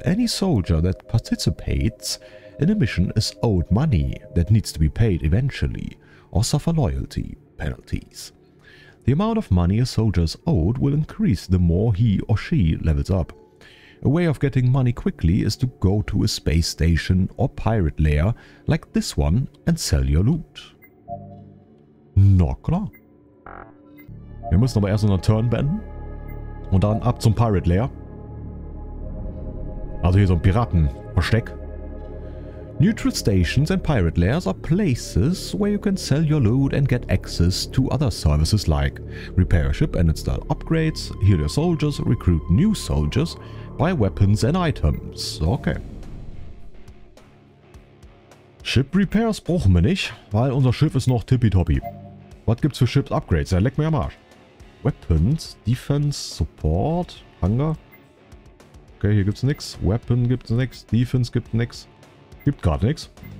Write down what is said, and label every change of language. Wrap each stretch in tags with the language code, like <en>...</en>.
<en>Any soldier that participates in a mission is owed money that needs to be paid eventually or suffer loyalty penalties. The amount of money a soldier is owed will increase the more he or she levels up. A way of getting money quickly is to go to a space station or pirate lair like this one and sell your loot.</en> <de>Na klar. Wir müssen aber erst unseren Turn beenden und dann ab zum Pirate Lair. Also hier so ein Piratenversteck.</de> <en>Neutral stations and pirate lairs are places where you can sell your loot and get access to other services like repair a ship and install upgrades, heal your soldiers, recruit new soldiers, buy weapons and items.</en> <de>Okay. Ship Repairs brauchen wir nicht, weil unser Schiff ist noch tippitoppi. Was gibt's für Ships Upgrades? Ja, leck mir am Arsch. Weapons, Defense, Support, Hunger. Okay, hier gibt's nix. Weapon gibt's nix. Defense gibt nix. Gibt gerade nix.</de>